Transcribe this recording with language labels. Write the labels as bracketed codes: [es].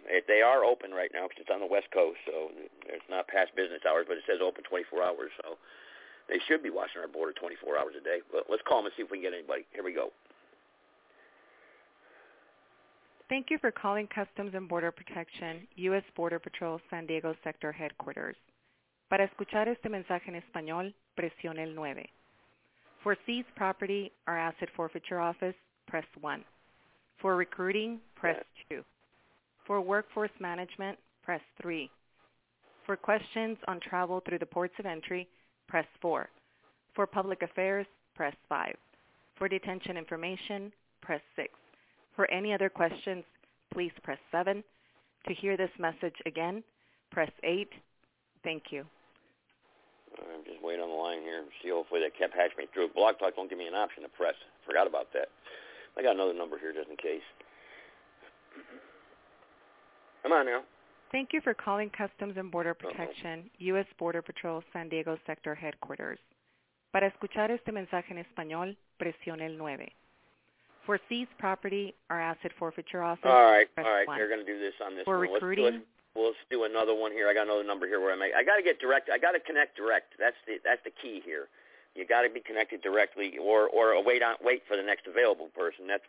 [en] If they are open right now because it's on the West Coast, so it's not past business hours, but it says open 24 hours. So they should be watching our border 24 hours a day. But let's call them and see if we can get anybody. Here we go. Thank you for calling Customs and Border Protection, U.S. Border Patrol, San Diego Sector Headquarters. [es] Para escuchar este mensaje en español, presione el 9. [en] For seized property or asset forfeiture office, press 1. For recruiting, press 2. For workforce management, press 3. For questions on travel through the ports of entry, press 4. For public affairs, press 5. For detention information, press 6. For any other questions, please press 7. To hear this message again, press 8. Thank you. All right, wait on the line here. See, hopefully that can't patch me through. Block Talk won't give me an option to press. Forgot about that. I got another number here just in case. Come on now. Thank you for calling Customs and Border Protection, U.S. Border Patrol, San Diego Sector Headquarters. [es] Para escuchar este mensaje en español, presione el 9. [en] For seized property or asset forfeiture office, all right, press 1. All right, they're going to do this on this for one. For recruiting? Let's do another one here. I got another number here where I'm at. I got to get direct. I got to connect direct. That's the key here. You got to be connected directly or wait for the next available person.